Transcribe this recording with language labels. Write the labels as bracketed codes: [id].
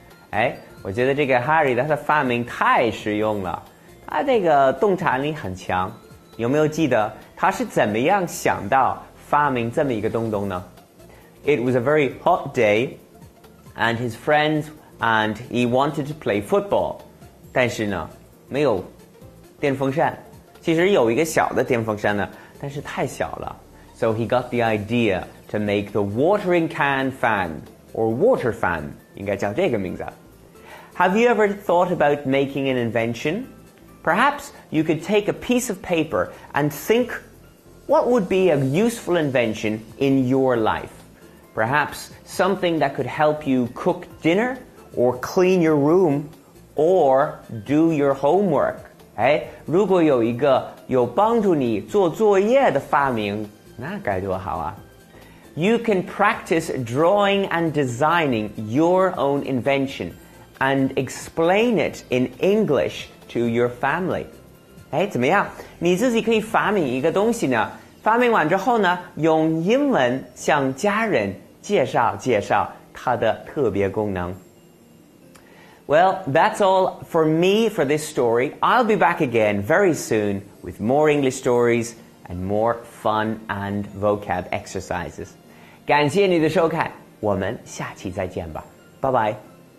[zh] 哎，我觉得这个 Harry 他的发明太实用了，他这个洞察力很强。有没有记得他是怎么样想到发明这么一个东东呢？ [en] It was a very hot day, and his friends and he wanted to play football. [zh] 但是呢，没有电风扇。其实有一个小的电风扇呢，但是太小了。 So he got the idea to make the watering can fan, or water fan, 应该叫这个名字。 [en] Have you ever thought about making an invention? Perhaps you could take a piece of paper and think, what would be a useful invention in your life? Perhaps something that could help you cook dinner, or clean your room, or do your homework. [zh] 哎，如果有一个有帮助你做作业的发明，那该多好啊。 [en] You can practice drawing and designing your own invention and explain it in English to your family. [zh] 哎，怎么样？你自己可以发明一个东西呢，发明完之后呢，用英文向家人介绍介绍它的特别功能。 [en] Well, that's all for me for this story. I'll be back again very soon with more English stories and more fun and vocab exercises. [zh] 感谢你的收看，我们下期再见吧。 [en] Bye-bye.